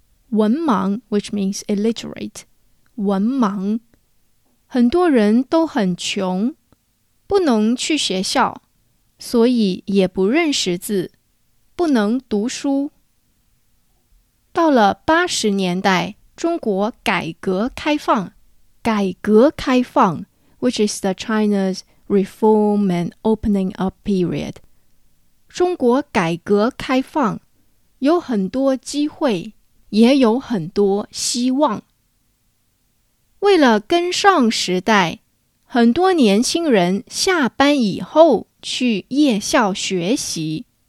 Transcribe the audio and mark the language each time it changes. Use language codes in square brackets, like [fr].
[en] 文盲 which means illiterate. 文盲。 [zh] 很多人都很穷，不能去学校，所以也不认识字，不能读书。到了80年代，中国改革开放。 [en] 改革开放 which is the China's reform and opening up period. [zh] 中国改革开放有很多机会，也有很多希望。为了跟上时代，很多年轻人下班以后去夜校学习。